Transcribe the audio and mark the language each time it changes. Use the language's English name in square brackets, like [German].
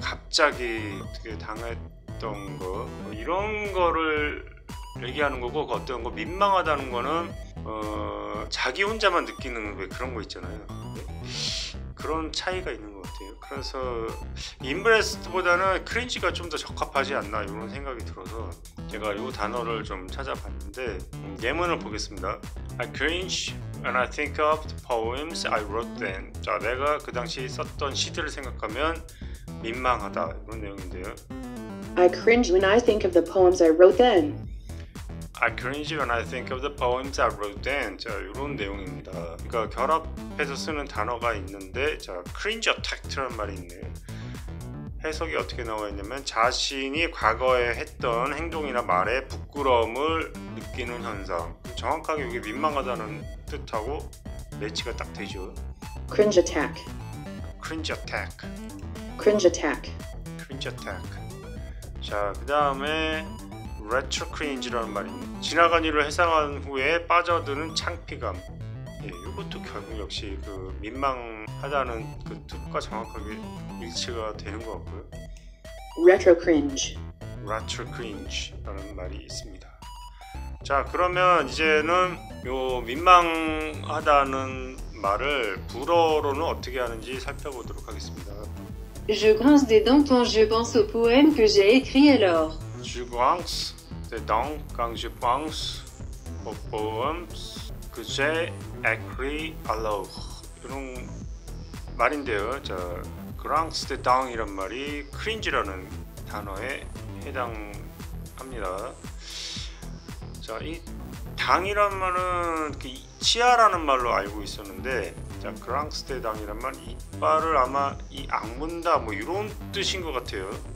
[Korean] 갑자기 어떻게 당했던 거 뭐 이런 거를 얘기하는 거고 그 어떤 거 민망하다는 거는 자기 혼자만 느끼는 그런 거 있잖아요. 그런 차이가 있는 것 같아요. 그래서 embarrassed보다는 크린지가 좀 더 적합하지 않나 이런 생각이 들어서 제가 이 단어를 좀 찾아봤는데 예문을 보겠습니다. [English] I cringe when I think of the poems I wrote then. [Korean] 자, 내가 그 당시 썼던 시들을 생각하면 민망하다 이런 내용인데요. [English] I cringe when I think of the poems I wrote then. I cringe when I think of the poems I wrote then. [Korean] 자, 이런 내용입니다. 그러니까 결합해서 쓰는 단어가 있는데 자, cringe attacked라는 말이 있네요. 해석이 어떻게 나와 있냐면 자신이 과거에 했던 행동이나 말에 부끄러움을 느끼는 현상. 정확하게 이게 민망하다는 뜻하고 매치가 딱 되죠. [English] Cringe attack. Cringe attack. Cringe attack. Cringe attack. [Korean] 자, 그다음에 retro cringe라는 말입니다. 지나간 일을 회상한 후에 빠져드는 창피감. 예, 이것도 결국 역시 그 민망하다는 그 뜻과 정확하게 일치가 되는 것 같고요. [English] Retro cringe. [Korean] Retro cringe라는 말이 있습니다. 자, 그러면 이제는 요 민망하다는 말을 불어로는 어떻게 하는지 살펴보도록 하겠습니다. [French] Je grince des dents quand je pense au poème que j'ai écrit alors. Je grince des dents quand je pense au poème que j'ai écrit alors. [Korean] 이런 말인데요. 자, grince des dents 이란 말이 cringe라는 단어에 해당합니다. 자, 이 당이란 말은 그 치아라는 말로 알고 있었는데 자, 그랑스테당이란 말 이빨을 아마 이 악문다 뭐 이런 뜻인 것 같아요.